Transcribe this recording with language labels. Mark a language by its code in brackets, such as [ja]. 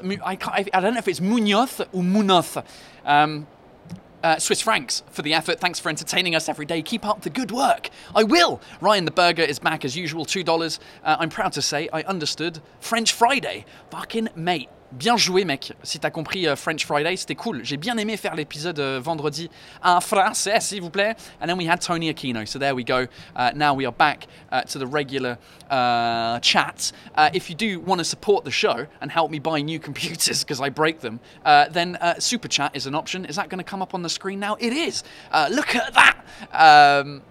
[en] I don't know if it's Munoz or Munoz. Swiss Franks, for the effort. Thanks for entertaining us every day. Keep up the good work. I will. Ryan the Burger is back as usual. $2. I'm proud to say I understood French Friday. Fucking mate. [fr] Bien joué, mec. Si t'as compris French Friday, c'était cool. J'ai bien aimé faire l'épisode vendredi en français, s'il vous plaît. [en] And then we had Tony Aquino. So there we go. Now we are back to the regular chat. If you do want to support the show and help me buy new computers because I break them, then Super Chat is an option. Is that going to come up on the screen now? It is. Look at that.